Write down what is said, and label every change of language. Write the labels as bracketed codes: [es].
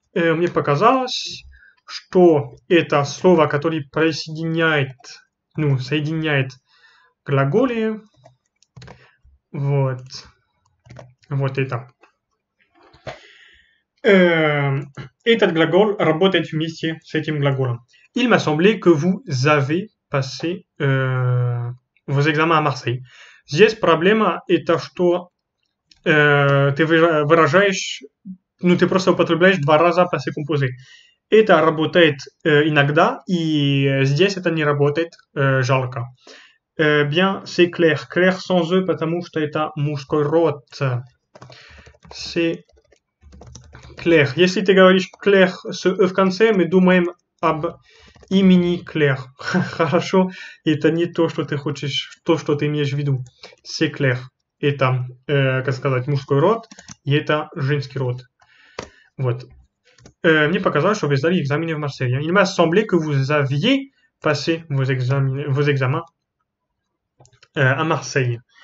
[ru] Мне показалось, что это слово, которое присоединяет, ну, соединяет глаголы. Вот. Вот это. Этот глагол работает вместе с этим глаголом. [fr] Il m'a semblé que vous avez passé vos examens à Marseille. [ru] Здесь проблема это, что ты выражаешь, ну ты просто употребляешь два раза passé composé. Это работает иногда, и здесь это не работает, жалко. [fr] Bien, c'est clair. [ru] Clair sans E, потому что это мужской род. [fr] C'est clair. [ru] Если ты говоришь clair с E в конце, мы думаем об имени Claire. Хорошо, это не то, что ты хочешь, то, что ты имеешь в виду. [fr] C'est clair. [ru] Это, как сказать, мужской род, и это женский род. Вот. Мне показалось, что вы сдали экзамены в Марселе. [fr] Il m'a semblé que vous aviez passé vos examens à Marseille.